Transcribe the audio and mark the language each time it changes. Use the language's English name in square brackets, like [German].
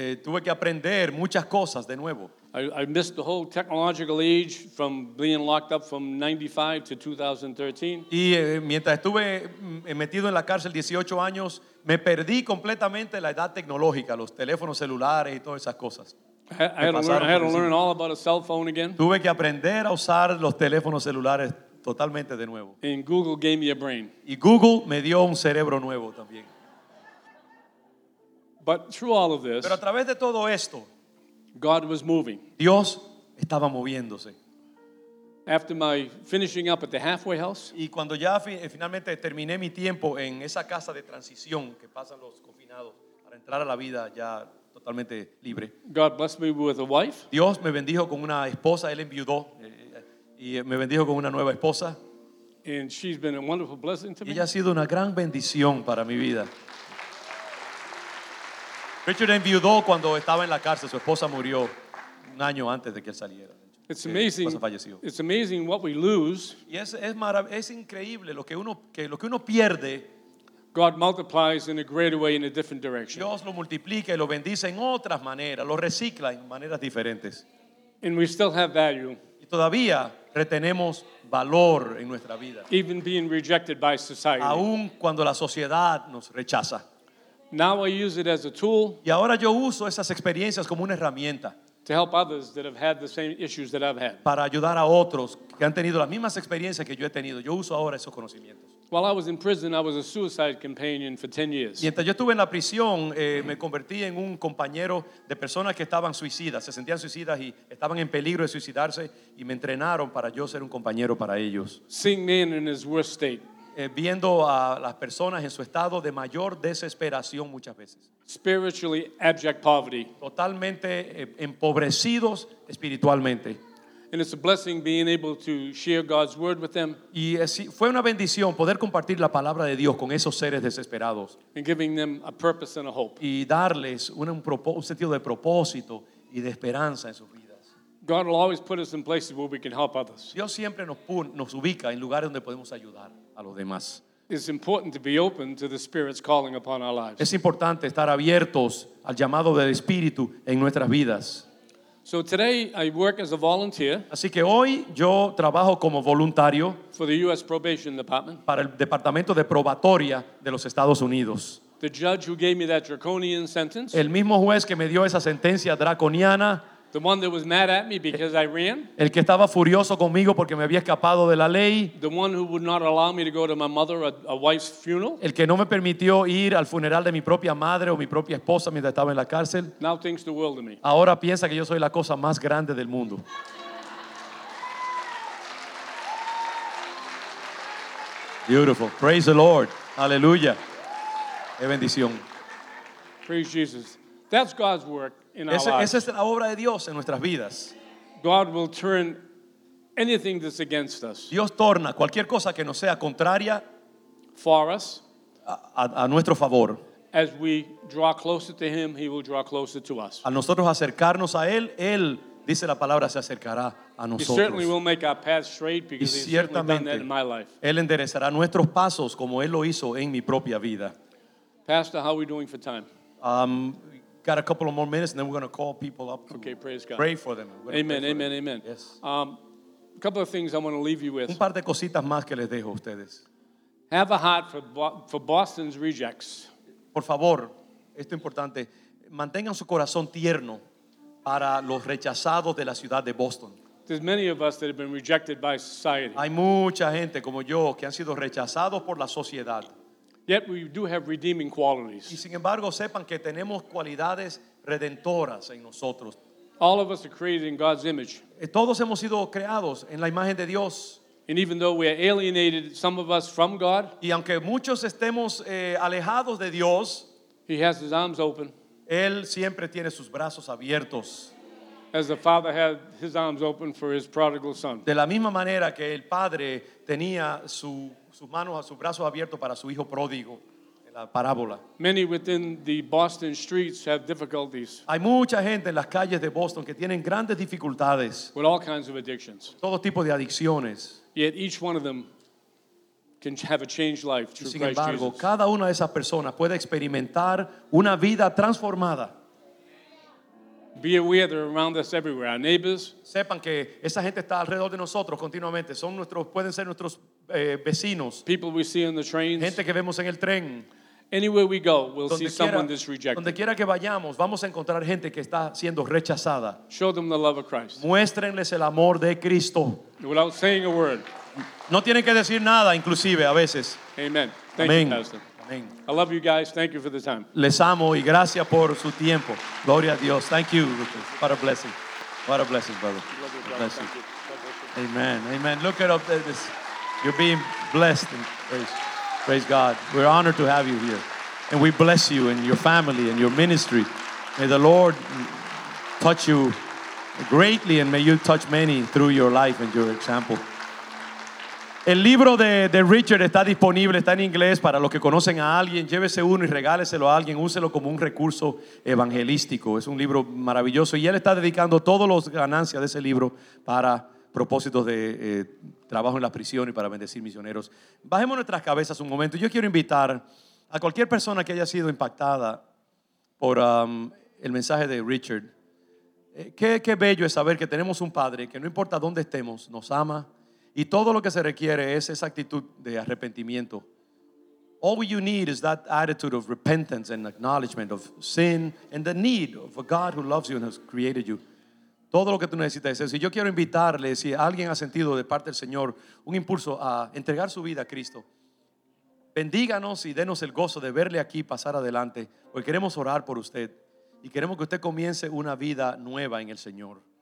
[Spanish] Tuve que aprender muchas cosas de nuevo. [English] I missed the whole technological age from being locked up from 95 to 2013. [Spanish] Y mientras estuve metido en la cárcel 18 años, me perdí completamente la edad tecnológica, los teléfonos celulares y todas esas cosas. [English] I had to learn all about a cell phone again. [Spanish] Tuve que aprender a usar los teléfonos celulares totalmente de nuevo. [English] And Google gave me a brain. [Spanish] Y Google me dio un cerebro nuevo también. [English] But through all of this, [Spanish] pero a través de todo esto, [English] God was moving. [Spanish] Dios estaba moviéndose. [English] After my finishing up at the halfway house, [Spanish] y cuando ya finalmente terminé mi tiempo en esa casa de transición que pasan los confinados para entrar a la vida ya totalmente libre, [English] God blessed me with a wife. [Spanish] Dios me bendijo con una esposa. Él enviudó y me bendijo con una nueva esposa. [English] And she's been a wonderful blessing to me. [Spanish] Y ella ha sido una gran bendición para mi vida. Richard enviudó cuando estaba en la cárcel. Su esposa murió un año antes de que él saliera. [English] It's amazing. It's amazing what we lose. [Spanish] Y es increíble lo que uno pierde. [English] God multiplies in a greater way, in a different direction. [Spanish] Dios lo multiplica y lo bendice en otras maneras. Lo recicla en maneras diferentes. [English] And we still have value. [Spanish] Y todavía retenemos valor en nuestra vida. [English] Even being rejected by society. [Spanish] Aún cuando la sociedad nos rechaza. [English] Now I use it as a tool. [Spanish] Y ahora yo uso esas experiencias como una herramienta. [English] To help others that have had the same issues that I've had. [Spanish] Para ayudar a otros que han tenido las mismas experiencias que yo he tenido. Yo uso ahora esos conocimientos. [English] While I was in prison, I was a suicide companion for 10 years. [Spanish] Mientras yo estuve en la prisión, me convertí en un compañero de personas que estaban suicidas, se sentían suicidas y estaban en peligro de suicidarse, y me entrenaron para yo ser un compañero para ellos. [English] Seeing man in his worst state. [Spanish] Viendo a las personas en su estado de mayor desesperación muchas veces. [English] Spiritually abject poverty. [Spanish] Totalmente empobrecidos espiritualmente. [English] And it's a blessing being able to share God's word with them. [Spanish] Y fue una bendición poder compartir la palabra de Dios con esos seres desesperados. [English] And giving them a purpose and a hope. [Spanish] Y darles un sentido de propósito y de esperanza en su vida. [English] God will always put us in places where we can help others. [Spanish] Dios siempre nos ubica en lugares donde podemos ayudar a los demás. [English] It's important to be open to the Spirit's calling upon our lives. [Spanish] Es importante estar abiertos al llamado del Espíritu en nuestras vidas. [English] So today I work as a volunteer. [Spanish] Así que hoy yo trabajo como voluntario [English] for the U.S. Probation Department. [Spanish] Para el Departamento de Probatoria de los Estados Unidos. [English] The judge who gave me that draconian sentence. [Spanish] El mismo juez que me dio esa sentencia draconiana. [English] The one that was mad at me because I ran. [Spanish] El que estaba furioso conmigo porque me había escapado de la ley. [English] The one who would not allow me to go to my mother or a wife's funeral. [Spanish] El que no me permitió ir al funeral de mi propia madre o mi propia esposa mientras estaba en la cárcel. [English] Now thinks the world of me. [Spanish] Ahora piensa que yo soy la cosa más grande del mundo. [English] Beautiful. Praise the Lord. Hallelujah. [Spanish] Qué bendición. [English] Praise Jesus. That's God's work. [Spanish] Esa es la obra de Dios en nuestras vidas. [English] God will turn anything that's against us. [Spanish] Dios torna cualquier cosa que no sea contraria [English] for us [Spanish] a nuestro favor. [English] As we draw closer to him, he will draw closer to us. [Spanish] A nosotros acercarnos a él, él dice la palabra se acercará a nosotros. [English] He certainly will make our path straight because he's certainly done that in my life. [Spanish] Él enderezará nuestros pasos como él lo hizo en mi propia vida. [English] Pastor, how are we doing for time? Got a couple of more minutes, and then we're going to call people up to okay, praise God. Pray for them. Amen, for amen, them. Amen. Yes. A couple of things I want to leave you with. [Spanish] Un par de cositas más que les dejo a ustedes. [English] Have a heart for Boston's rejects. [Spanish] Por favor, esto es importante. Mantengan su corazón tierno para los rechazados de la ciudad de Boston. [English] There's many of us that have been rejected by society. [Spanish] Hay mucha gente como yo que han sido rechazados por la sociedad. [English] Yet we do have redeeming qualities. [Spanish] Y sin embargo, sepan que tenemos cualidades redentoras en nosotros. [English] All of us are created in God's image. [Spanish] Todos hemos sido creados en la imagen de Dios. [English] And even though we are alienated, some of us from God, [Spanish] y aunque muchos estemos alejados de Dios, [English] He has His arms open. [Spanish] Él siempre tiene sus brazos abiertos. [English] As the father had his arms open for his prodigal son. [Spanish] De la misma manera que el padre tenía sus manos, sus brazos abiertos para su hijo pródigo. Parábola. [English] Many within the Boston streets have difficulties. [Spanish] Hay mucha gente en las calles de Boston que tienen grandes dificultades. [English] With all kinds of addictions. [Spanish] Todo tipo de adicciones. [English] Yet each one of them can have a changed life through Christ [Spanish] Jesus. Sin embargo, [English] Jesus. [Spanish] Cada una de esas personas puede experimentar una vida transformada. [English] Be aware they're around us everywhere. Our neighbors. [Spanish] Sepan que esa gente está alrededor de nosotros continuamente. Son nuestros, pueden ser nuestros vecinos. [English] People we see on the trains. [Spanish] Gente que vemos en el tren. [English] Anywhere we go, we'll see someone that's rejected. [Spanish] Donde quiera que vayamos, vamos a encontrar gente que está siendo rechazada. [English] Show them the love of Christ. [Spanish] Muéstrenles el amor de Cristo. [English] Without saying a word. [Spanish] No tienen que decir nada, inclusive a veces. [English] Amen. Thank Amen. You, Pastor. Amen. I love you guys. Thank you for the time. [Spanish] Les amo y gracias por su tiempo. Gloria a Dios. [English] Thank you, Rufus. What a blessing. What a blessing, brother. Blessing. Amen. Amen. Look it up. This. You're being blessed. And praise God. We're honored to have you here. And we bless you and your family and your ministry. May the Lord touch you greatly and may you touch many through your life and your example. [Spanish] El libro de Richard está disponible, está en inglés. Para los que conocen a alguien, llévese uno y regáleselo a alguien. Úselo como un recurso evangelístico. Es un libro maravilloso. Y él está dedicando todas las ganancias de ese libro para propósitos de trabajo en la prisión y para bendecir misioneros. Bajemos nuestras cabezas un momento. Yo quiero invitar a cualquier persona que haya sido impactada por el mensaje de Richard. Qué bello es saber que tenemos un Padre que no importa dónde estemos, nos ama. Y todo lo que se requiere es esa actitud de arrepentimiento. [English] All you need is that attitude of repentance and acknowledgement of sin and the need of a God who loves you and has created you. [Spanish] Todo lo que tú necesitas es eso. Y yo quiero invitarle, si alguien ha sentido de parte del Señor un impulso a entregar su vida a Cristo, bendíganos y denos el gozo de verle aquí pasar adelante, porque queremos orar por usted y queremos que usted comience una vida nueva en el Señor.